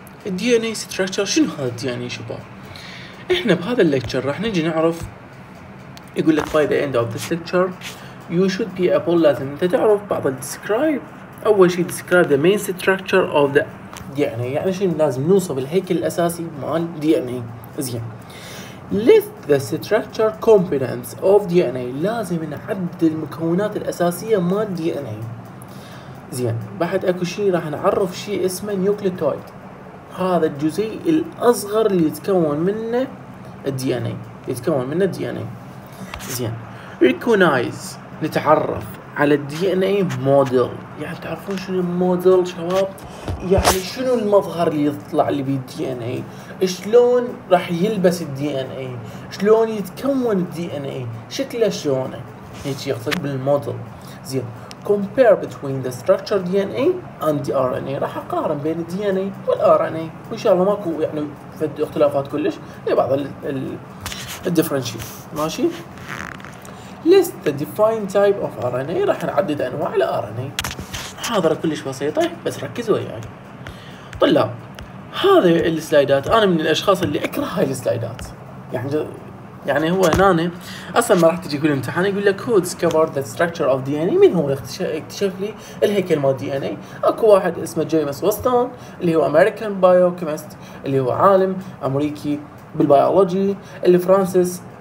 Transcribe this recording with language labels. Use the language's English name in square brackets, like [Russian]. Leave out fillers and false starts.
[Arabic] الدي ان اي ستراكشر شنو هذا الدي ان اي شباب؟ احنا بهذا الليكتشر راح نجي نعرف، يقول لك [English] by the end of this lecture you should be able, [Arabic] لازم انت تعرف بعض الديسكرايب. اول شيء [English] describe the main structure of the DNA، [Arabic] يعني شنو لازم نوصف الهيكل الاساسي مال DNA. زين، [English] list the structure components of DNA، [Arabic] لازم نعد المكونات الاساسيه مال DNA. زين، بعد اكو شيء راح نعرف شيء اسمه نيوكليوتيد، هذا الجزيء الاصغر اللي يتكون منه DNA، يتكون منه DNA. زين، recognize، نتعرف على الدي ان اي موديل. يعني تعرفون شنو الموديل شباب؟ يعني شنو المظهر اللي يطلع اللي بي دي ان اي، شلون راح يلبس الدي ان اي، شلون يتكون الدي ان اي، شكله شلونه، هيك يقصد بالموديل. زين، [English] compare between the structure DNA and the RNA، [Arabic] راح اقارن بين الدي ان اي والار ان اي، وان شاء الله ماكو يعني فد اختلافات كلش، هي بعض الدفرنشيز. ماشي، [English] list the defined type of RNA، [Arabic] راح نعدد انواع الRNA. محاضره كلش بسيطه بس ركزوا وياي يعني. طلاب، هذا السلايدات انا من الاشخاص اللي اكره هاي السلايدات، يعني هو هنا اصلا ما راح تجي كل امتحان يقول لك [English] who discovered the structure of DNA، [Arabic] من هو اكتشف لي الهيكل مال دي ان اي؟ اكو واحد اسمه جيمس وستون اللي هو امريكان بايوكيمست، اللي هو عالم امريكي بالبيولوجي، اللي فرانسيس